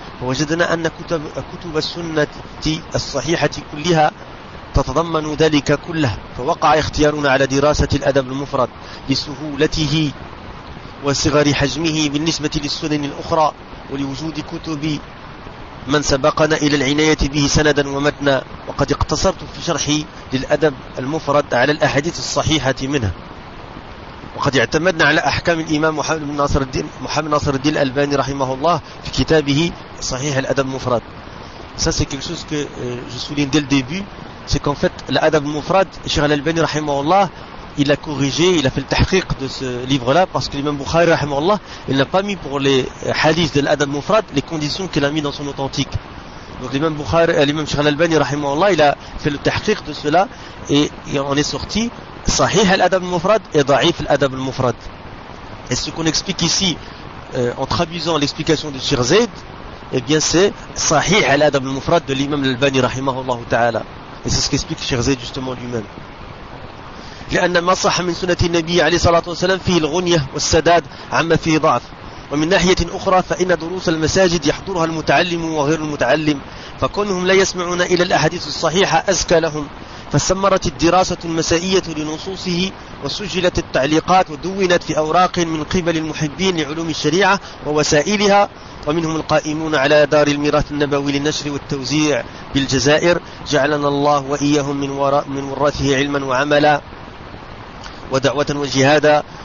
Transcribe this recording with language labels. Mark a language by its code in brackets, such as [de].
[ar] فوجدنا أن كتب السنة الصحيحة كلها تتضمن ذلك كله، فوقع اختيارنا على دراسة الأدب المفرد لسهولته وصغر حجمه بالنسبة للسنن الأخرى، ولوجود كتب من سبقنا إلى العناية به سندا ومتنا. وقد اقتصرت في شرحي للأدب المفرد على الأحاديث الصحيحة منها، وقد اعتمدنا على أحكام الإمام محمد ناصر الدين الألباني رحمه الله في كتابه صحيح الأدب المفرد. [fr] Ça c'est quelque chose que je souligne dès le début, c'est qu'en fait l'Adab Mufrad, Cheikh Al-Albani رحمه الله, il a corrigé, il a fait le tahqiq de ce livre-là, parce que l'imam Bukhari رحمه الله, il n'a pas mis pour les hadiths de l'Adab Mufrad les conditions qu'il a mis dans son authentique. Donc l'imam Bukhari, l'imam Cheikh Al-Albani رحمه الله, il a fait le tahqiq de cela et on est sorti صحيح الأدب المفرد et ضعيف الأدب المفرد. Et ce qu'on explique ici en traduisant l'explication de Cheikh Zayed, eh bien c'est صحيح الأدب المفرد de l'imam Al-Albani رحمه الله تعالى. Et c'est ce qu'explique Cheikh Zayed justement lui-même. [ar] لأن ما صح من سنة النبي عليه الصلاة والسلام فيه الغنية والسداد عما فيه ضعف. ومن ناحية أخرى فإن دروس المساجد يحضرها المتعلم وغير المتعلم، فكونهم لا يسمعون إلى الأحاديث الصحيحة أزكى لهم. فاستمرت الدراسة المسائية لنصوصه وسجلت التعليقات ودونت في أوراق من قبل المحبين لعلوم الشريعة ووسائلها، ومنهم القائمون على دار الميراث النبوي للنشر والتوزيع بالجزائر، جعلنا الله وإياهم من ورثه علما وعملا ودعوة وجهادا.